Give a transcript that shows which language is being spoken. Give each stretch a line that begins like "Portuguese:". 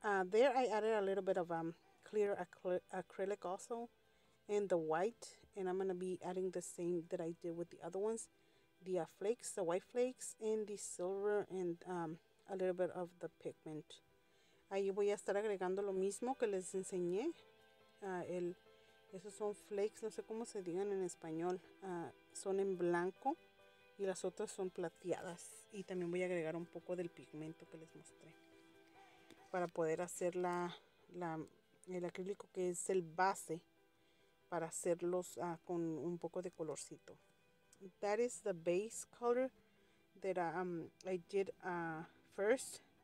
English: There I added a little bit of clear acrylic also in the white. And I'm going to be adding the same that I did with the other ones. The flakes, the white flakes, and the silver, and a little bit of the pigment.
Spanish: Ahí voy a estar agregando lo mismo que les enseñé. Esos son flakes, no sé cómo se digan en español. Son en blanco. Y las otras son plateadas. Y también voy a agregar un poco del pigmento que les mostré. Para poder hacer el acrílico que es el base. Para hacerlos con un poco de colorcito.
English: That is the base color that I did first.